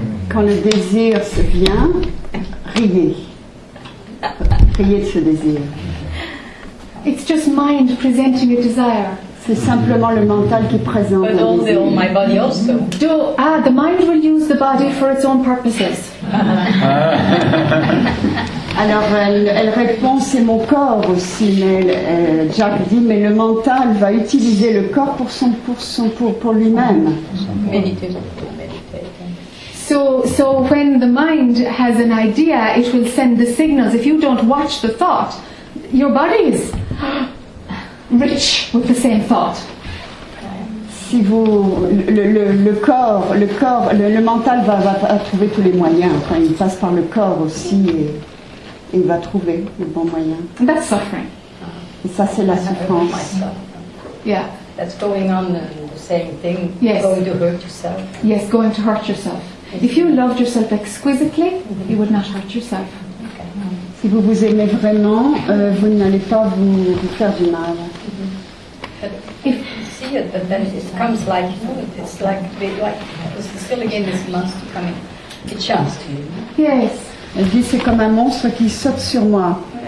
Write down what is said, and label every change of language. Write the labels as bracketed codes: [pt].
[fr] Quand le désir se vient, riez. Riez de ce désir. [en] It's just mind presenting a desire. [fr] C'est simplement le mental qui présente. [en] But also on my body also. The mind will use the body for its own purposes. [fr] Alors elle répond, c'est mon corps aussi, mais Jack dit, mais le mental va utiliser le corps pour lui-même. [en] So when the mind has an idea, it will send the signals. If you don't watch the thought, your body is rich with the same thought. [fr] Si vous le corps, le mental va trouver tous les moyens. Enfin, il passe par le corps aussi. Il va trouver le bon moyen. [en] That's suffering. [fr] Et ça, c'est la souffrance. [en] Yeah. That's going on the same thing. Yes. Going to hurt yourself. Yes, going to hurt yourself. If you loved yourself exquisitely, mm-hmm. you would not hurt yourself. Okay. Mm-hmm. [fr] Si vous vous aimez vraiment, vous n'allez pas vous faire du mal. Mm-hmm. [en] But then it comes like, you know, it's like, still again this monster coming. It jumps to you. Yes. [fr] Elle dit, c'est comme un monstre qui saute sur moi.